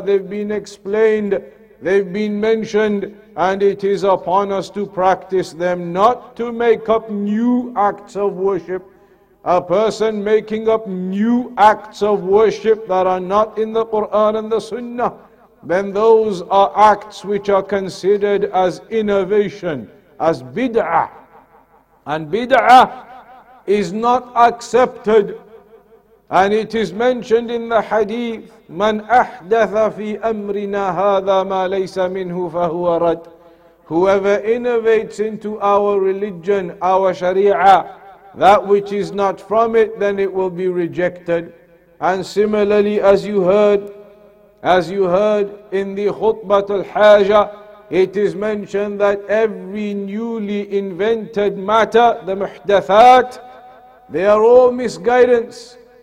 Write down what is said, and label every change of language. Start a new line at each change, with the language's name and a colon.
English: They've been explained, they've been mentioned, and it is upon us to practice them, not to make up new acts of worship. A person making up new acts of worship that are not in the Quran and the Sunnah, then those are acts which are considered as innovation, as bid'ah. And bid'ah is not accepted. And it is mentioned in the hadith,
Arabic: من أحدث في أمرنا هذا ما ليس منه فهو رد.
English: Whoever innovates into our religion, our sharia, that which is not from it, then it will be rejected. And similarly, as you heard in the khutbah al-haja, it is mentioned that every newly invented matter, the muhdathat, they are all misguidance.